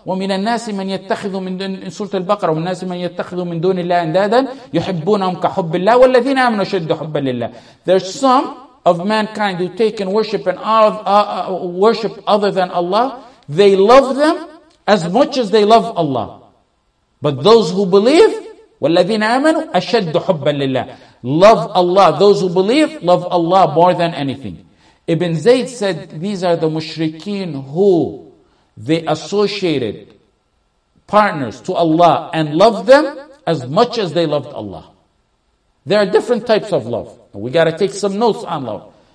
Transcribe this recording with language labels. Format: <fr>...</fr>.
<ar>وَمِنَ النَّاسِ مَنْ يَتَّخِذُ مِنْ دُونِ سُورَةِ الْبَقَرَةِ وَمِنَ النَّاسِ مَنْ يَتَّخِذُ مِنْ دُونِ اللَّهِ أَنْدَادًا يُحِبُّونَهُمْ كَحُبِّ اللَّهِ وَالَّذِينَ آمَنُوا شَدُّ حُبَّ اللَّهِ.</ar> <en>There's some of mankind who take in worship and worship other than Allah. They love them as much as they love Allah. But those who believe,</en> <ar>وَالَّذِينَ آمَنُوا أَشَدُّ حُبَّ اللَّهِ.</ar> <en>Love Allah. Those who believe, love Allah more than anything. Ibn Zayd said, these are the mushrikeen who they associated partners to Allah and loved them as much as they loved Allah. There are different types of love. We got to take some notes on love.</en>